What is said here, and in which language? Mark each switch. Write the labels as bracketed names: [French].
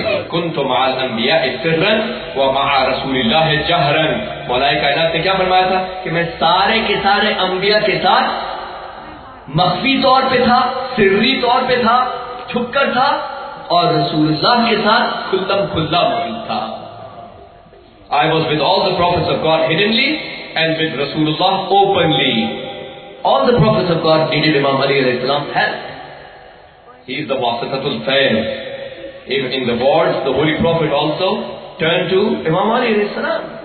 [Arabic] كنتم مع الانبياء سرا ومع رسول الله جهرا. [Urdu] ملائکہ کائنات نے کیا فرمایا تھا کہ میں سارے کے سارے انبیاء کے ساتھ مخفی طور پہ تھا, سری طور پہ تھا, چھپ کر تھا, اور رسول اللہ کے ساتھ کھلم کھلا موجود تھا. [English] I was with all the prophets of God hiddenly and with Rasulullah openly. All the prophets of God needed Imam Ali alayhi salam help. He is the wasitatul fayl. Even in the wards, the Holy Prophet also turned to Imam Ali alayhi salam.